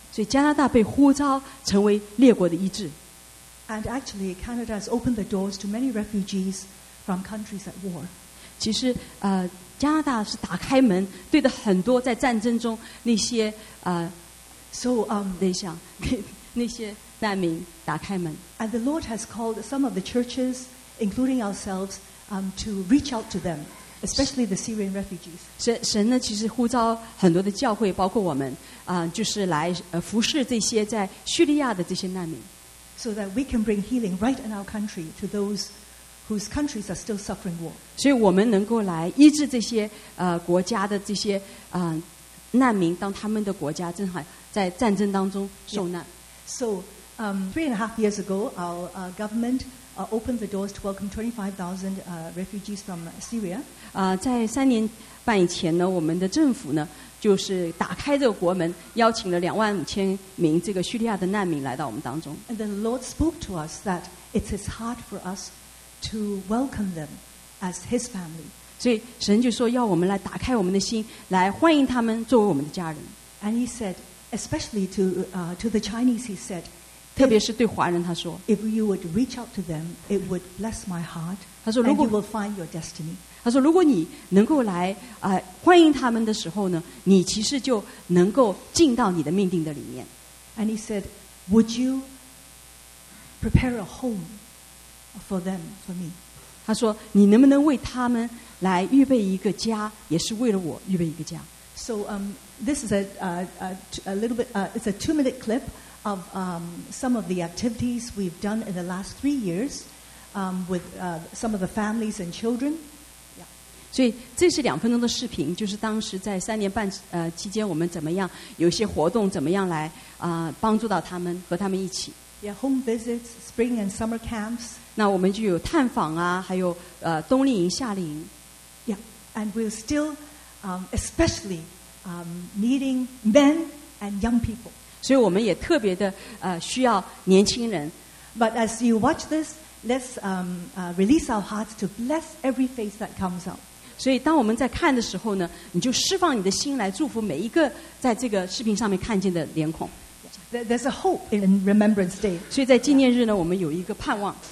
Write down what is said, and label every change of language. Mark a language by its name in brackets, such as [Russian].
[Chinese] 所以加拿大被呼召成为列国的医治。 [English] And actually, Canada has opened the doors to many refugees from countries at war. [Chinese] 其实加拿大是打开门，对的很多在战争中那些那些难民打开门。 [English] And the Lord has called some of the churches, including ourselves, to reach out to them, especially the Syrian refugees. [Chinese] 神呢，其实呼召很多的教会，包括我们就是来服侍这些在叙利亚的这些难民。 [English] So that we can bring healing right in our country to those whose countries are still suffering war. [Chinese] 所以我们能够来医治这些国家的这些难民，当他们的国家正好在战争当中受难。 Yeah. [English] So, 3.5 years ago, our government opened the doors to welcome 25,000 refugees from Syria. [Chinese] 在三年半以前呢，我们的政府呢就是打开这个国门，邀请了25,000名这个叙利亚的难民来到我们当中。 [English] And the Lord spoke to us that it's His heart for us to welcome them as His family. [Chinese] 所以神就说要我们来打开我们的心，来欢迎他们作为我们的家人。 [English] And He said, especially to the Chinese, He said, [Chinese] 特别是对华人，他说 [English] ，If you would reach out to them, it would bless my heart. [Chinese] 他说，如果 [English] and you will find your destiny. [Chinese] 他说：“如果你能够来欢迎他们的时候呢，你其实就能够进到你的命定的里面。” [English] And he said, "Would you prepare a home for them for me?" [Chinese] 他说：“你能不能为他们来预备一个家，也是为了我预备一个家。” [English] So this is it's a 2-minute clip of some of the activities we've done in the last 3 years with some of the families and children. [Chinese] 所以这是两分钟的视频，就是当时在三年半期间，我们怎么样有一些活动，怎么样来帮助到他们，和他们一起。 [English] Yeah, home visits, spring and summer camps. [Chinese] 那我们就有探访啊，还有冬令营、夏令营。 [English] Yeah, and we're still, especially, needing men and young people. [Chinese] 所以我们也特别的需要年轻人。 [English] But as you watch this, let's release our hearts to bless every face that comes up. [Chinese] 所以当我们在看的时候呢，你就释放你的心来祝福每一个在这个视频上面看见的脸孔。 [English] There's a hope in Remembrance Day. [Chinese] 所以在纪念日呢，我们有一个盼望。